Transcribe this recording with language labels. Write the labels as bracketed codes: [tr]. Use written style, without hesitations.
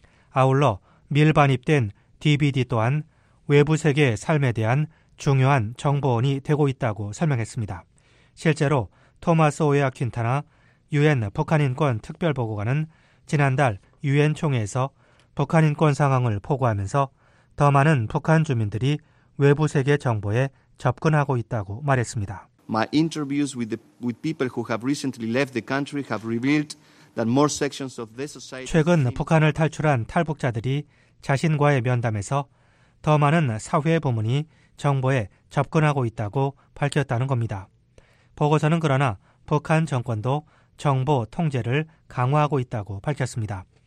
[ko] 아울러 밀반입된 DVD 또한 외부 세계의 삶에 대한 중요한 정보원이 되고 있다고 설명했습니다. 실제로 토마스 오야 퀸타나 UN 북한인권특별보고관은 지난달 UN 총회에서 북한인권 상황을 보고하면서 더 많은 북한 주민들이 외부 세계 정보에 접근하고 있다고 말했습니다. [en] My interviews with people who have recently left the country have revealed that more sections of the society. [ko] 최근 북한을 탈출한 탈북자들이 자신과의 면담에서 더 많은 사회 부문이 정보에 접근하고 있다고 밝혔다는 겁니다. 보고서는 그러나 북한 정권도 정보 통제를 강화하고 있다고 밝혔습니다.